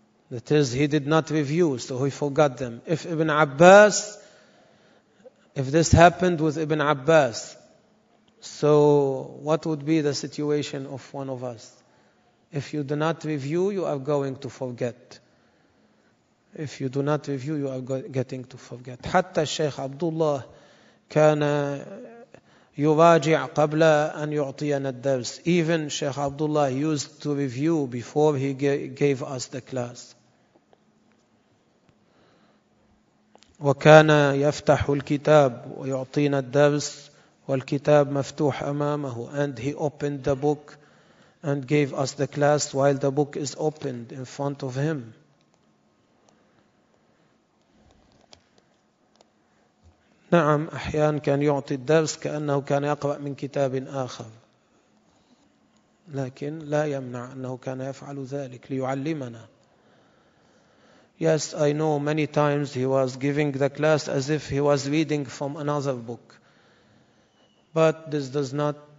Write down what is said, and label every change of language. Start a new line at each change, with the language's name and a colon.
English: That is, he did not review, so he forgot them. If Ibn Abbas, if this happened with Ibn Abbas, so what would be the situation of one of us? If you do not review, you are going to forget. If you do not review, you are getting to forget.
Arabic: حتى الشيخ عبد الله كان يراجع قبل أن يعطينا الدرس.
English: Even Sheikh Abdullah used to review before he gave us the class.
Arabic: وكان يفتح الكتاب ويعطينا الدرس والكتاب مفتوح أمامه.
English: And he opened the book and gave us the class while the book is opened in front of him.
Arabic: نعم أحيان كان يعطي الدرس كأنه كان يقرأ من كتاب آخر، لكن لا يمنع أنه كان يفعل ذلك ليعلمنا.
English: Yes, I know many times he was giving the class as if he was reading from another book. But this does not...